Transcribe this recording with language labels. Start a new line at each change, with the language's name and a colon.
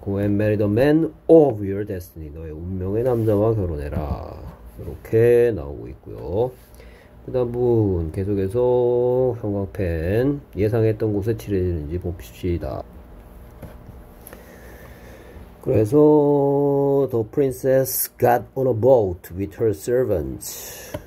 English: Go and marry the man of your destiny.
Korean: 너의 운명의 남자와 결혼해라. 이렇게 나오고 있고요. 그 다음 부분 계속해서 형광펜 예상했던 곳에 칠해지는지 봅시다. 그래서
English: the princess got on a boat with her servants.